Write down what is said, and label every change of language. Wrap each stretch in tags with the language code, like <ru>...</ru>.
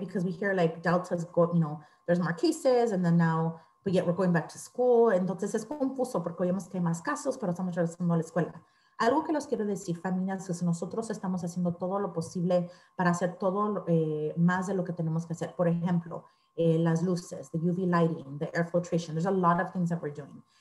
<en>Because we hear like Delta's got, you know, there's more cases and then now, but yet we're going back to school.</en> <es>Entonces es confuso porque vemos que hay más casos, pero estamos regresando a la escuela. Algo que les quiero decir, familias, es nosotros estamos haciendo todo lo posible para hacer todo más de lo que tenemos que hacer. Por ejemplo, las luces,</es> <en>the UV lighting, the air filtration, there's a lot of things that we're doing.</en>